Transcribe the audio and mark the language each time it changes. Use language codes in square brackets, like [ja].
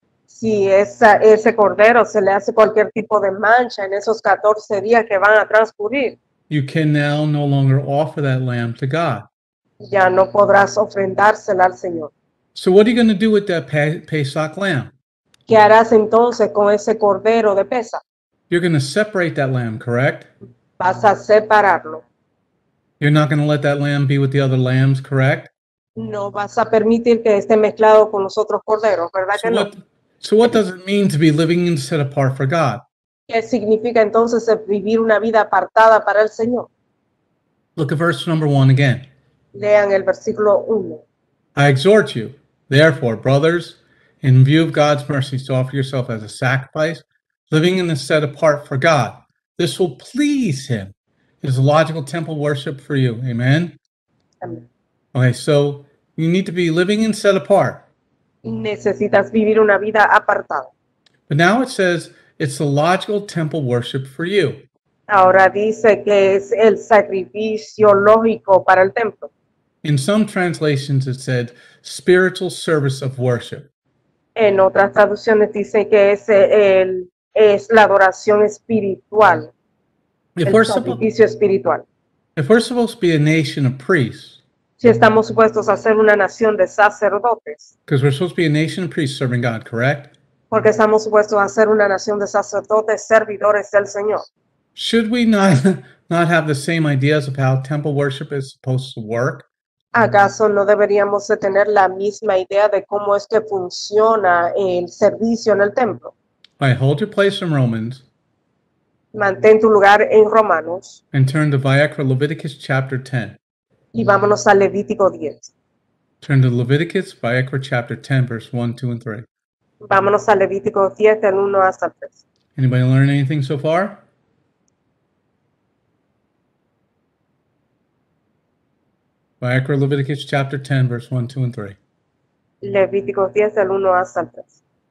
[es] Si ese cordero se le hace cualquier tipo de mancha en esos 14 días que van a transcurrir. [en] You can now no longer offer that lamb to God. [es] Ya no podrás ofrendársela al Señor. [en] So what are you going to do with that Pesach lamb? [es] ¿Qué harás entonces con ese cordero de Pesach? [en] You're going to separate that lamb, correct? [es] Vas a separarlo. [en] You're not going to let that lamb be with the other lambs, correct? [es] No vas a permitir que esté mezclado con los otros corderos, ¿verdad que no? [en] So what does it mean to be living and set apart for God? [es] ¿Qué significa entonces vivir una vida apartada para el Señor? [en] Look at verse number one again. [es] Lean el versículo uno. [en] I exhort you, therefore, brothers, in view of God's mercy, to offer yourself as a sacrifice, living in the set apart for God. This will please him. It is a logical temple worship for you. Amen? Amen. Okay, so you need to be living and set apart. [es] Necesitas vivir una vida apartada. [en] But now it says it's a logical temple worship for you. [es] Ahora dice que es el sacrificio lógico para el templo. [en] In some translations it said spiritual service of worship. [es] En otras traducciones dice que es el es la adoración espiritual, [en] if [es] el sacrificio espiritual. [en] If we're supposed to be a nation of priests, [es] si estamos supuestos a ser una nación de sacerdotes, [en] because we're supposed to be a nation of priests serving God, correct? [es] Porque estamos supuestos a ser una nación de sacerdotes servidores del Señor. [en] Should we not have the same ideas of how temple worship is supposed to work? [es] ¿Acaso no deberíamos de tener la misma idea de cómo es que funciona el servicio en el templo? [en] All right, hold your place in Romans. [es] Mantén tu lugar en Romanos. [en] And turn to Vayikra, Leviticus chapter 10. [es] Y vámonos a Levítico 10. [en] Turn to Leviticus, Vayikra chapter 10, verse 1, 2, and 3. [es] Vámonos a Levítico 10, del 1 hasta el 3. [en] Anybody learn anything so far? Vayikra, Leviticus chapter 10, verse 1, 2, and 3. [es] Levítico 10, del 1 hasta el 3.